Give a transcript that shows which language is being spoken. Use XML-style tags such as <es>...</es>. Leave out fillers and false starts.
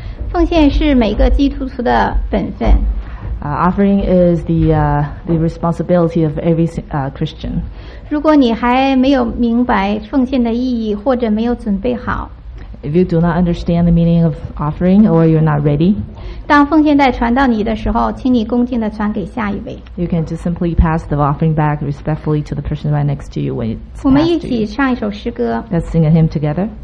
<zh>奉献是每个基督徒的本分。</zh> <en>Offering is the responsibility of every Christian.</en> <zh>如果你还没有明白奉献的意义，或者没有准备好，</zh> <en>If you do not understand the meaning of offering or you're not ready,</en> <zh>当奉献袋传到你的时候，请你恭敬地传给下一位。</zh> <en>You can just simply pass the offering back respectfully to the person right next to you when it's passed to you.</en> <zh>我们一起唱一首诗歌。</zh> <en>Let's sing a hymn together.</en>